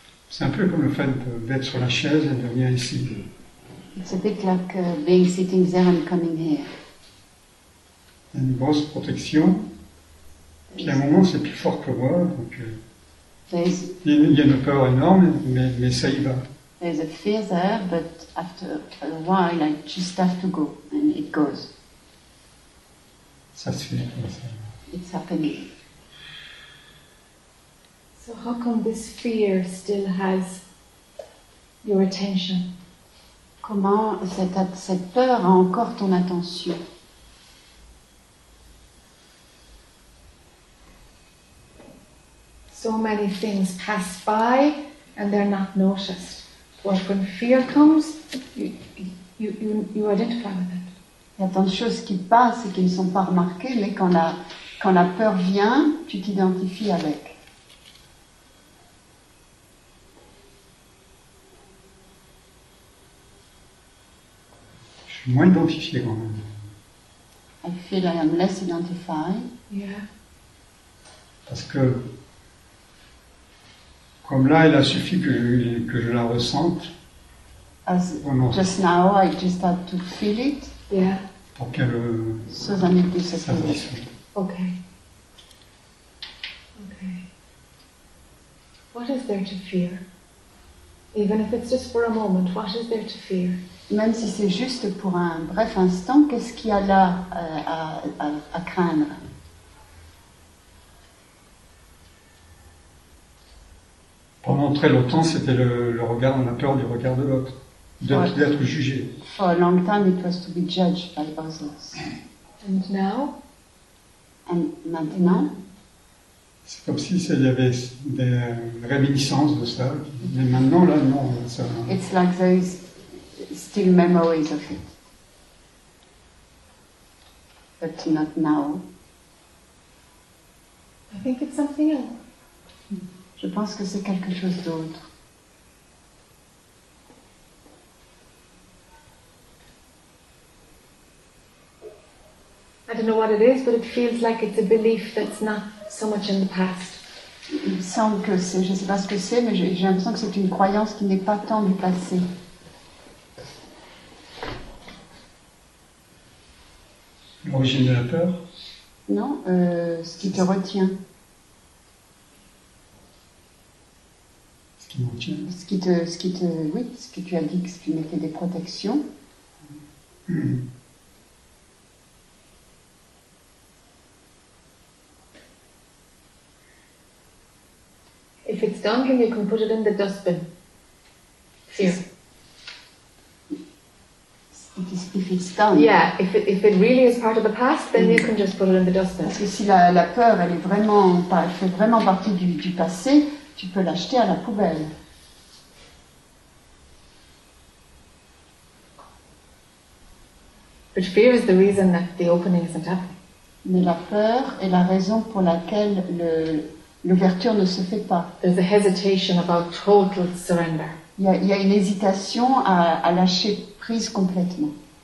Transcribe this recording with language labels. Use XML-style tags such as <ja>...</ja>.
<fr>C'est un peu comme le fait d'être sur la chaise et de venir ici.</fr> <en>It's a bit like being sitting there and coming here.</en> <fr>Une grosse protection. Puis à un moment, c'est plus fort que moi, donc il y a une peur énorme, mais ça y va.</fr> <en>There's a fear there, but after a while, I just have to go, and it goes.</en> <fr>Ça se fait.</fr> <en>It's happening. So how come this fear still has your attention?</en> <fr>Comment cette peur a encore ton attention?</fr> <en>So many things pass by and they're not noticed. But when fear comes, you identify with it.</en> <fr>Il y a tant de choses qui passent et qui ne sont pas remarquées, mais quand la peur vient, tu t'identifies avec. Je suis moins identifié quand même.</fr> <en>I feel I am less identified. Yeah.</en> <fr>Parce que comme là, il a suffi que je la ressente.</fr> <en>As just now, I just had to feel it. Yeah.</en> <fr>Pour qu'elle se dissipe.</fr> <en>Okay. What is there to fear? Even if it's just for a moment, what is there to fear?</en> <fr>Même si c'est juste pour un bref instant, qu'est-ce qu'il y a là à craindre? Pendant très longtemps, c'était le regard, la peur du regard de l'autre, d'être jugé.</fr> <en>For a long time, it was to be judged by others.</en> <fr>And maintenant? C'est comme si il y avait des réminiscences de ça, mais maintenant, là, non. Ça...</fr> <en>It's like there is still memories of it. But not now. I think it's something else.</en> <fr>Je pense que c'est quelque chose d'autre.</fr> <en>I don't know what it is, but it feels like it's a belief that's not so much in the past.</en> <fr>Il semble que c'est, je ne sais pas ce que c'est, mais j'ai l'impression que c'est une croyance qui n'est pas tant du passé. L'origine de la peur? Non, ce qui te retient. Ce que tu as dit, que tu mettais des protections.</fr> <en>If it's done, you can put it in the dustbin. If it's done. Yeah, if it really is part of the past, then you can just put it in the dustbin.</en> <fr>Parce que si la peur, elle fait vraiment partie du passé, tu peux l'acheter à la poubelle.</fr> <en>But fear is the reason that the opening isn't happening.</en> <fr>Mais la peur est la raison pour laquelle l'ouverture ne se fait pas.</fr> <en>There's a hesitation about total surrender.</en> <fr>Il y a une hésitation à lâcher prise complètement.</fr> <en>Okay.</en>